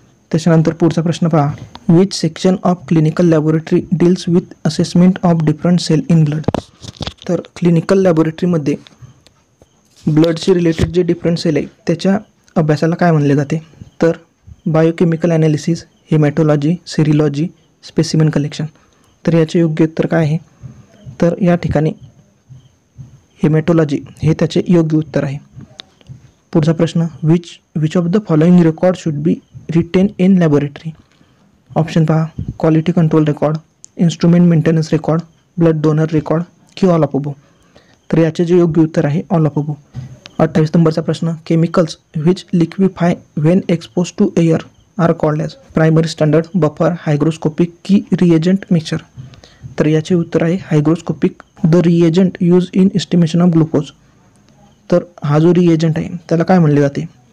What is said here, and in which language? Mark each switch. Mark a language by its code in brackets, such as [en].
[mr] त्याच्यानंतर पुढचा प्रश्न पहा, [en] which section of clinical laboratory deals with assessment of different cell in blood, [mr] तर क्लिनिकल लॅबोरेटरीमध्ये ब्लडशी रिलेटेड जे डिफरंट सेल आहे त्याच्या अभ्यासाला काय म्हणले जाते, तर biochemical analysis, haematology, सेरिलॉजी, specimen collection. तर याचे योग्य उत्तर काय आहे, तर या ठिकाणी हिमॅटोलॉजी हे त्याचे योग्य उत्तर आहे। [en] पुढचा प्रश्न, which of the following record should be written in laboratory, [mr] option पहा [en] Quality control record, instrument maintenance record, blood donor record की all of above. [mr] तर याचे जे योग्य उत्तर आहे ऑल ऑफ अबोव। 28 नंबरचा प्रश्न, [en] Chemicals which liquefy when expose to air are called as, primary standard, buffer, hygroscopic की reagent mixer. [mr] तर याचे उत्तर आहे hygroscopic, [en] The reagent use in estimation of glucose. [mr] तर हा जो रिएजंट आहे त्याला काय म्हणले जाते,